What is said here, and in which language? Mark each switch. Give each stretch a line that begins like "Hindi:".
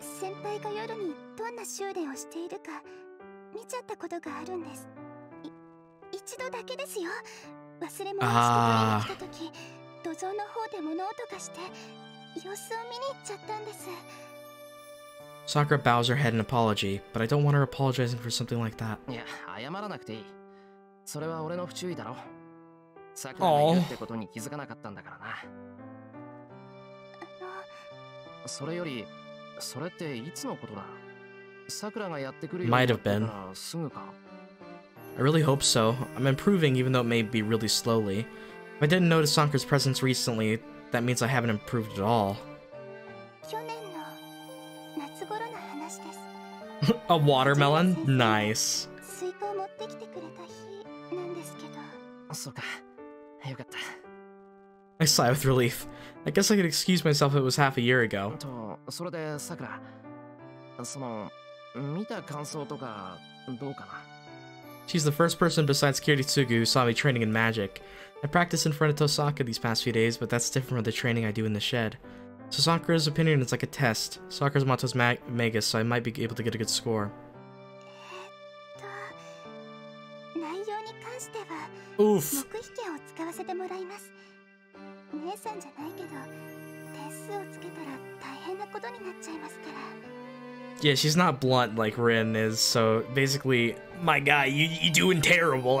Japanese: Senpai が夜にどんな修練をしているか見ちゃったことがあるんです。一度だけですよ。忘れ物をしてた時、土蔵の方で物音がして様子を見に行っちゃったんです。
English: Sakura bows her head in apology, but I don't want her apologizing for something like that.
Japanese: いや、謝らなくていい。それは俺の不注意だろ。Sakura がいるってことに気づかなかったんだからな。それより、それっていつのことだ。さくらがやってくる
English: よ。Might have been.
Japanese: すぐか。
English: I really hope so. I'm improving, even though it may be really slowly. If I didn't notice Sankar's presence recently, that means I haven't improved at all.
Japanese: 去年の夏頃の話です。
English: A watermelon? Nice.
Japanese: スイカを持ってきてくれた日なんですけど。そうか。よかった。
English: I sigh with relief. I guess I could excuse myself if it was half a year ago.
Japanese: それで、さくら、その、見た感想とかどうかな?
English: She's the first person besides Kiritsugu who saw me training in magic. I practice in front of Tosaka these past few days, but that's different from the training I do in the shed. So Sakura's opinion is like a test. Sakura's motto is Magus, so I might be able to get a good score.
Japanese: 内容に関しては、
English: Oof.
Japanese: 目引きを使わせてもらいます。姉さんじゃないけど、点数をつけたら大変なことになっちゃいますから。
English: Yeah, she's not blunt like Rin is, so basically, my guy, you doing terrible.